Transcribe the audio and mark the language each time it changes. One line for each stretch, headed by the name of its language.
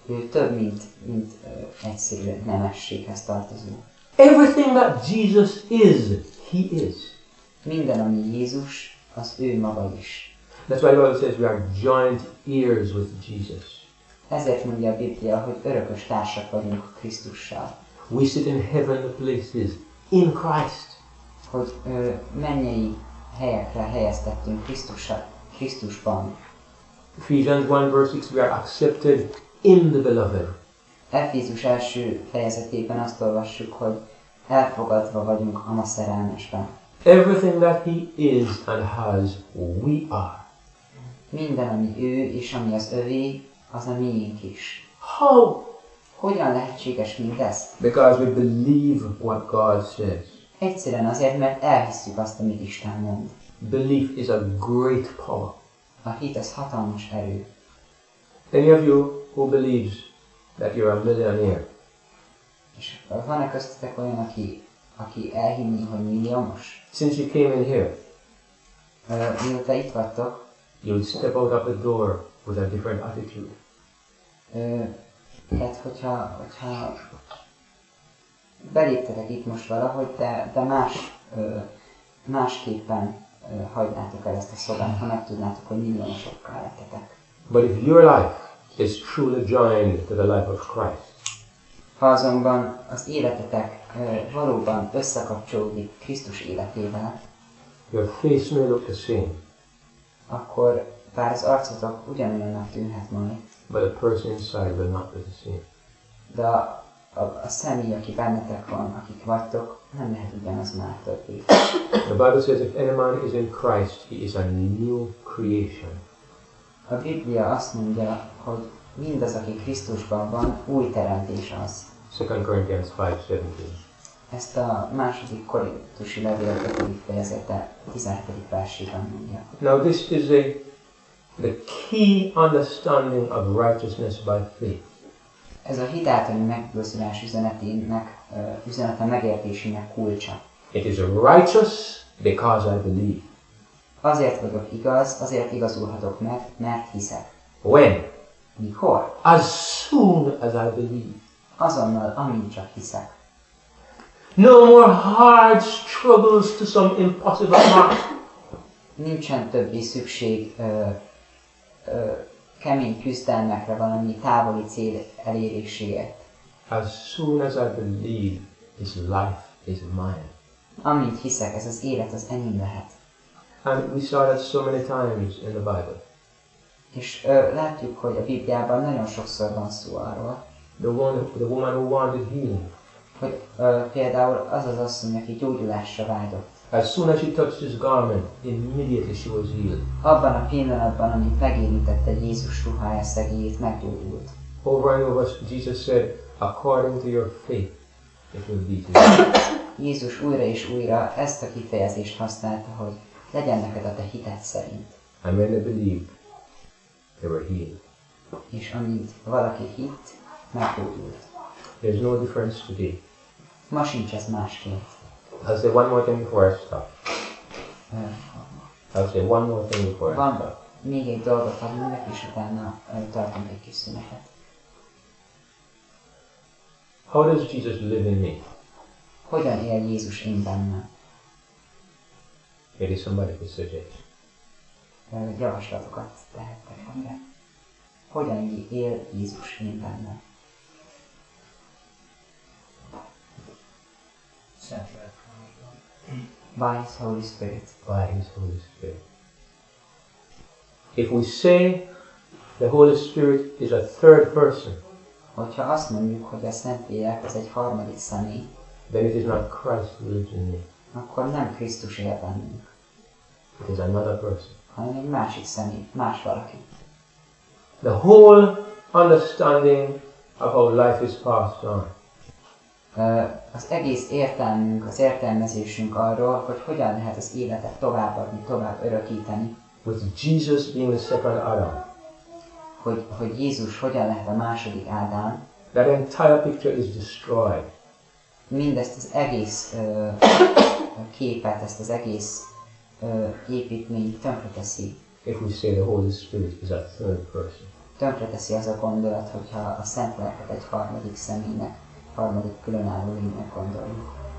Hungarian: több, mint egyszerű nemességhez tartozó.
English: Everything that Jesus is, he is.
Hungarian: Minden, ami Jézus, az ő maga is.
English: That's why the Bible says we are joint heirs with Jesus.
Hungarian: Ezért mondja a Biblia, hogy örökös társak vagyunk Krisztussal.
English: We sit in heavenly places in Christ.
Hungarian: Hogy mennyei helyekre helyeztettünk Krisztusban.
English: Ephesians 1 verse 6, we are accepted in the Beloved.
Hungarian: Efézus első fejezetében azt olvassuk, hogy elfogadva vagyunk a ma szerelmesben.
English: Everything that he is and has, we are.
Hungarian: Minden, ami ő és ami az övé, az a miénk is.
English: How?
Hungarian: Hogyan lehetséges mindez?
English: Because we believe what God says.
Hungarian: Egyszerűen azért, mert elhisszük azt, amit Isten mond.
English: Belief is a great power.
Hungarian: A hit az hatalmas erő.
English: Any of you who believes that you're a millionaire?
Hungarian: És van-e köztetek olyan, aki elhinni, hogy milliómos?
English: Since you came in here.
Hungarian: Mióta itt vagytok.
English: You'll step out of the door with a different attitude.
Hungarian: Hát, hogyha beléptetek itt most valahogy, de másképpen hagynátok el ezt a szobát, ha megtudnátok, hogy milliómosokkal lettetek.
English: But if your life is truly joined to the life of Christ.
Hungarian: Ha azonban az életetek valóban összekapcsolódik Krisztus életével,
English: your face may look the same.
Hungarian: Akkor bár az arcotok ugyanolyannak tűnhet majd.
English: But a person inside will not be the same.
Hungarian: De a személy, aki bennetek van, akik vagytok, nem lehet ugyanaz már többé.
English: The Bible says if any man is in Christ, he is a new creation.
Hungarian: A Biblia azt mondja, hogy mindaz, aki Krisztusban van, új teremtés az.
English: 2 Corinthians 5:17.
Hungarian: Ezt a második korintusi levél 5. fejezete 17. versében mondja.
English: Now this is the key understanding of righteousness by faith.
Hungarian: Ez a hit általi megbőszülés üzenete megértésének kulcsa.
English: It is righteous because I believe.
Hungarian: Azért vagyok igaz, azért igazulhatok meg, mert hiszek.
English: When?
Hungarian: Mikor?
English: As soon as I believe.
Hungarian: Azonnal, amint csak hiszek.
English: No more hard struggles to some impossible mark.
Hungarian: Nincsen többé szükség kemény küzdelmekre, valami távoli cél eléréséért.
English: As soon as I believe, this life is mine.
Hungarian: Amint hiszek, ez az élet az enyém lehet.
English: And we saw that so many times in the Bible.
Hungarian: És látjuk, hogy a Bibliában nagyon sokszor van szó arról.
English: The woman who wanted healing.
Hungarian: Hogy például az az asszony, aki gyógyulásra vágyott.
English: As soon as she touched his garment, immediately she was healed.
Hungarian: Abban a pillanatban, amit megérintette Jézus ruhája szegélyét, meggyógyult.
English: Over and over, Jesus said, according to your faith, it will be to
Hungarian: Jézus újra és újra ezt a kifejezést használta, hogy legyen neked a te hited szerint.
English: And when they believed, they were healed.
Hungarian: És amint valaki hitt, meggyógyult.
English: There's no difference today.
Hungarian: Ma sincs ez másként.
English: I'll say one more thing before I stop. I'll say one more thing before I stop.
Hungarian: Van még egy dolgot, ha mindenki is utána tartunk egy kis szünetet.
English: How does Jesus live in me?
Hungarian: Hogyan él Jézus én bennem?
English: Maybe somebody could suggest.
Hungarian: Javaslatokat tehettek erre. Hogyan él Jézus én bennem?
English: By His Holy Spirit. By His Holy Spirit. If we say the Holy Spirit is a third person,
Hungarian: hogyha azt mondjuk, hogy a Szentlélek az egy harmadik személy,
English: then it is not Christ who lives in me.
Hungarian: Akkor nem Krisztus él bennünk.
English: It is another person.
Hungarian: Hanem egy másik személy, más valaki.
English: The whole understanding of how life is passed on.
Hungarian: Az egész értelmünk, az értelmezésünk arról, hogy hogyan lehet az életet továbbadni, tovább örökíteni.
English: With Jesus being the second Adam.
Hungarian: Hogy Jézus hogyan lehet a második Ádám.
English: That entire picture is destroyed.
Hungarian: Mindezt az egész képet, ezt az egész építményt tönkreteszi.
English: If we say the Holy Spirit is a third person.
Hungarian: tönkreteszi az a gondolat, hogyha a szent lelket egy harmadik személynek, harmadik különálló lénynek gondoljuk.